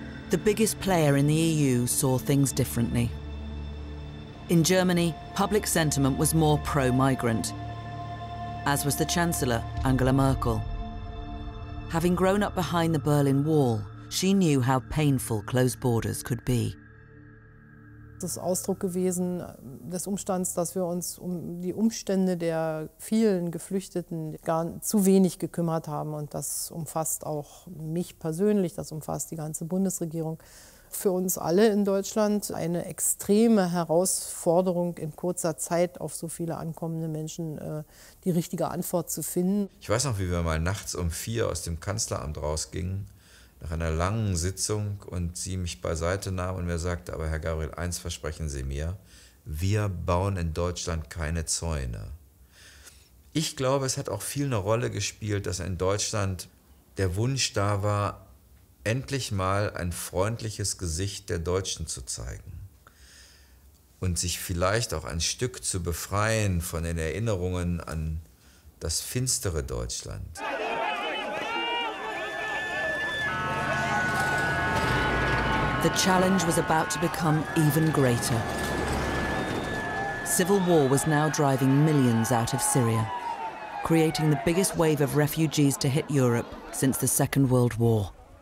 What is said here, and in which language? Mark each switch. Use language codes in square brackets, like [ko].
[en] The biggest player in the EU saw things differently. In Germany, public sentiment was more pro-migrant, as was the Chancellor, Angela Merkel. Having grown up behind the Berlin Wall, she knew how painful closed borders could be. [de] Es ist Ausdruck gewesen des Umstands, dass wir uns um die Umstände der vielen Geflüchteten gar zu wenig gekümmert haben. Und das umfasst auch mich persönlich, das umfasst die ganze Bundesregierung. Für uns alle in Deutschland eine extreme Herausforderung, in kurzer Zeit auf so viele ankommende Menschen die richtige Antwort zu finden. Ich weiß noch, wie wir mal nachts um 4 aus dem Kanzleramt rausgingen, nach einer langen Sitzung, und sie mich beiseite nahm und mir sagte: Aber Herr Gabriel, eins versprechen Sie mir, wir bauen in Deutschland keine Zäune. Ich glaube, es hat auch viel eine Rolle gespielt, dass in Deutschland der Wunsch da war, endlich mal ein freundliches Gesicht der Deutschen zu zeigen und sich vielleicht auch ein Stück zu befreien von den Erinnerungen an das finstere Deutschland. [en] The challenge was about to become even greater. Civil war was now driving millions out of Syria, creating the biggest wave of refugees to hit Europe since the Second World War.